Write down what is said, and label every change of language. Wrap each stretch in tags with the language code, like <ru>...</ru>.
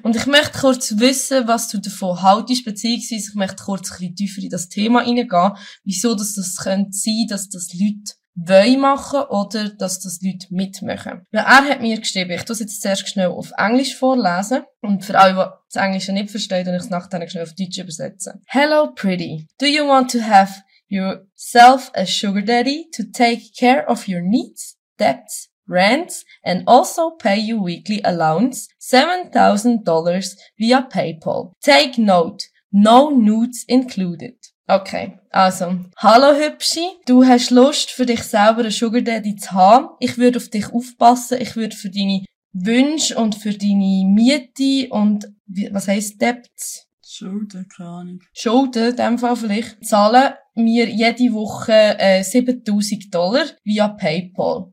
<de>Und ich möchte kurz wissen, was du davon haltest, beziehungsweise ich möchte kurz ein bisschen tiefer in das Thema reingehen, wieso das könnte sein, dass das Leute wollen machen oder dass das Leute mitmachen. Weil er hat mir geschrieben, ich tue es jetzt zuerst schnell auf Englisch vorlesen. Und für alle, die das Englische nicht verstehen, und ich es nachher schnell auf Deutsch übersetzen.</de> <en>Hello, pretty. Do you want to have yourself a sugar daddy to take care of your needs, debts, rents, and also pay you weekly allowance, $7,000 via PayPal? Take note, no nudes included. Okay, also.</en> <de>Hallo Hübschi, du hast Lust, für dich selber einen Sugar Daddy zu haben. Ich würde auf dich aufpassen, ich würde für deine Wünsche und für deine Miete und, was heisst Debts? Schulden, keine Ahnung. Schulden, in dem Fall vielleicht. Zahlen mir jede Woche $7,000 via PayPal.</de>